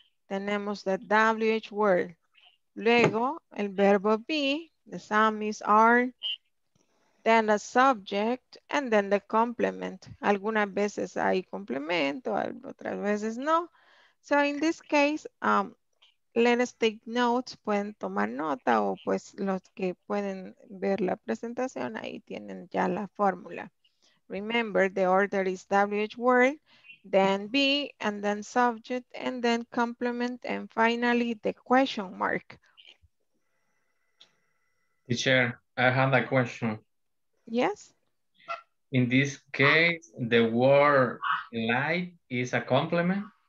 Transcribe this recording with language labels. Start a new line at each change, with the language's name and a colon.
Spanish: Tenemos
English: the WH word.
Spanish: Luego, el verbo be, the some is are.
English: Then the subject, and then the complement.
Spanish: Algunas veces hay complemento, otras veces no.
English: So in this case, let us take notes.
Spanish: Pueden tomar nota o pues los que pueden ver la presentación, ahí tienen ya la fórmula.
English: Remember, the order is WH word, then be, and then subject, and then complement, and finally the question mark. Teacher, I have a question. Yes? In this case, the word light is a complement?